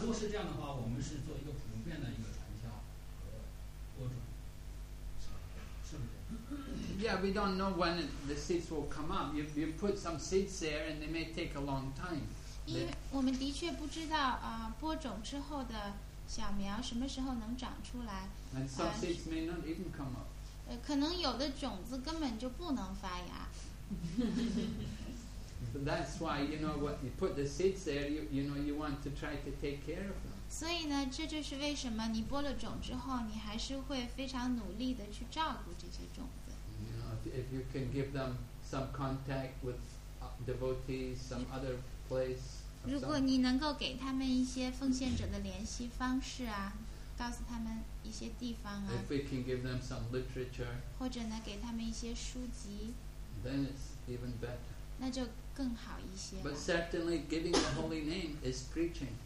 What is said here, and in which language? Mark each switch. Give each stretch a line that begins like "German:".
Chinese: 如果是这样的话，我们是做一个普遍的一个传销播种，是不是？
English: Yeah, we don't know when the seeds will come up. You put some seeds there, and they may take a long time.
Chinese: 因为我们的确不知道播种之后的小苗什么时候能长出来。
English: And some seeds may not even come up.
Chinese: 可能有的种子根本就不能发芽。
English: So that's why you know what you put the seeds there. You know you want to try to take care of them.
Chinese: 所以呢，这就是为什么你播了种之后，你还是会非常努力的去照顾这些种子。
English: You know, if you can give them some contact with devotees, some other place.
Chinese: 如果你能够给他们一些奉献者的联系方式啊，告诉他们一些地方啊。
English: If we can give them some literature.
Chinese: 或者呢，给他们一些书籍。
English: Then it's even better.
Chinese: 那就更好一些了。
English: But certainly giving the holy name is preaching.